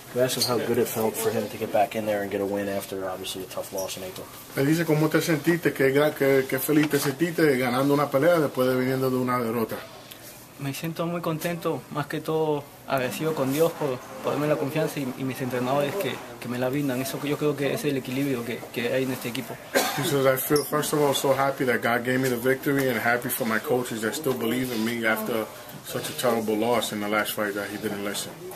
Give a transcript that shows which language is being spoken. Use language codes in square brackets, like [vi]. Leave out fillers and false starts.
[en] We asked him how good it felt for him to get back in there and get a win after obviously a tough loss in April. [es] Me dice cómo te sentiste, qué feliz te sentiste ganando una pelea después de viniendo de una derrota. Me siento muy contento, más que todo agradecido con Dios por darme la confianza y mis entrenadores que me la brindan. Eso yo creo que es el equilibrio que hay en este equipo. [en] He says, I feel, first of all, so happy that God gave me the victory and happy for my coaches that still believe in me after such a terrible loss in the last fight that he didn't listen.